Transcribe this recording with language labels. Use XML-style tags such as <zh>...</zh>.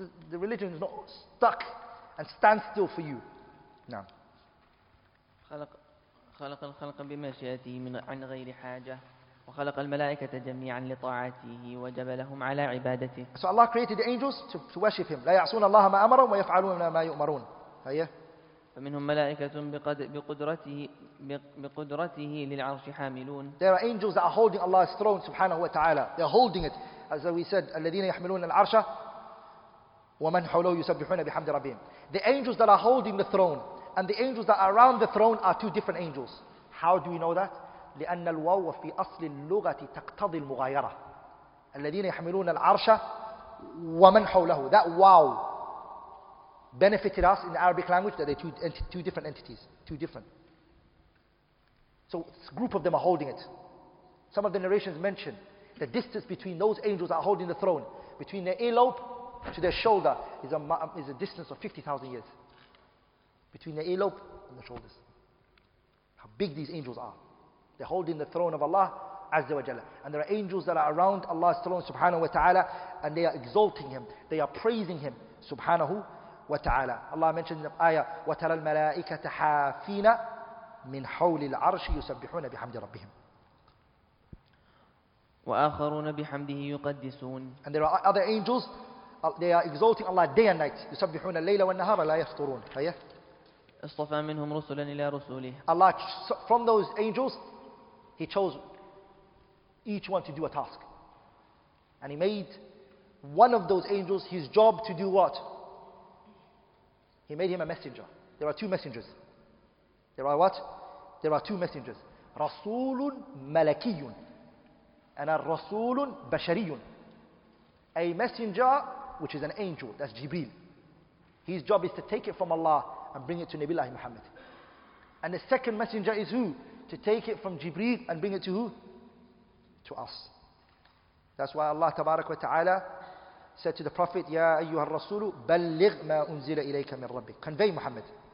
<en>The religion is not stuck and stand still for you.</en> <ar>نعم. خلق الخلق بمشيئته من عن غير حاجة وخلق الملائكة جميعا لطاعته وجب لهم على عبادته.</ar> <en>So Allah created the angels to worship him.</en> <ar>لا يعصون الله ما أمرهم ويفعلون ما يؤمرون. هيا. فمنهم ملائكة بقدرته للعرش حاملون.</ar> <en>There are angels that are holding Allah's throne سبحانه وتعالى. They're holding it. As we said,</en> <ar>الذين يحملون العرش ومن حوله يسبحون بحمد ربهم.</ar> <en>The angels that are holding the throne and the angels that are around the throne are two different angels. How do we know that?</en> <ar>لأن الواو في أصل اللغة تقتضي المغايرة. الذين يحملون العرش ومن حوله.</ar> <en>That wow benefited us in the Arabic language that they're two different entities. Two different. So a group of them are holding it. Some of the narrations mention the distance between those angels that are holding the throne, between their earlobe to their shoulder, is a distance of 50,000 years. Between the earlobe and the shoulders. How big these angels are. They're holding the throne of Allah Azza wa Jalla. And there are angels that are around Allah's throne subhanahu wa ta'ala, and they are exalting him. They are praising him subhanahu wa ta'ala. Allah mentioned in the ayah,</en> <ar>وَتَرَى الْمَلَائِكَةَ حَافِينَ مِنْ حَوْلِ الْعَرْشِ يُسَبِّحُونَ بِحَمْدِ رَبِّهِمْ وَآخَرُونَ بِحَمْدِهِ يُقَدِّسُونَ.</ar> <en>And there are other angels, they are exalting Allah day and night.</en> <ar>يُسَبِّحُونَ اللَّيْلَ وَالنَّهَارَ لَا يَفْطُرُونَ. اصطفى منهم رسلا الى رسله.</ar> <en>Allah, from those angels, he chose each one to do a task. And he made one of those angels his job to do what? He made him a messenger. There are two messengers. There are what? There are two messengers.</en> <ar>رسول ملكي</ar> <en>and a</en> <ar>رسول بشري.</ar> <en>A messenger, which is an angel, that's Jibreel. His job is to take it from Allah and bring it to Nabi Muhammad. And the second messenger is who? To take it from Jibreel and bring it to who? To us. That's why Allah Tabarak wa Ta'ala said to the Prophet, Ya</en> <ar>أَيُّهَا الرَّسُولُ بَلِّغْ مَا أُنزِلَ إِلَيْكَ مِنْ رَبِّكَ.</ar> <en>Convey Muhammad.</en>